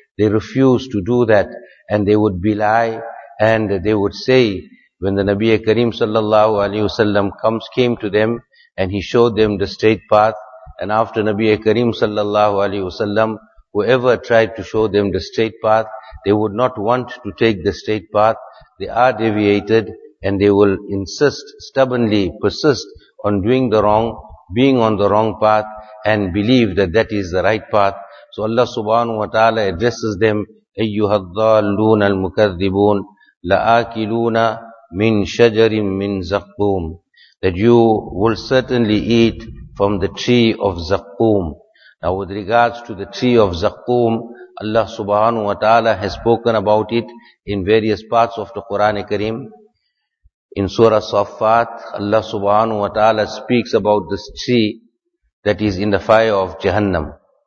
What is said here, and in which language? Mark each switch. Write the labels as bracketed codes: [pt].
[en] They refuse to do that, and they would belie, and they would say, when the Nabi Kareem sallallahu alayhi wasallam came to them, and he showed them the straight path, and after Nabi Kareem sallallahu alayhi wasallam, whoever tried to show them the straight path, they would not want to take the straight path. They are deviated, and they will insist, stubbornly persist, on doing the wrong, being on the wrong path, and believe that that is the right path. So Allah subhanahu wa ta'ala addresses them, [ar] أَيُّهَا الضَّالُّونَ الْمُكَذِّبُونَ لَآكِلُونَ مِنْ شَجَرٍ مِنْ زَقُّومٍ. [en] That you will certainly eat from the tree of Zakkum. Now with regards to the tree of Zakkum, Allah subhanahu wa ta'ala has spoken about it in various parts of the Quran Kareem. In Surah Saffat, Allah subhanahu wa ta'ala speaks about this tree that is in the fire of Jahannam.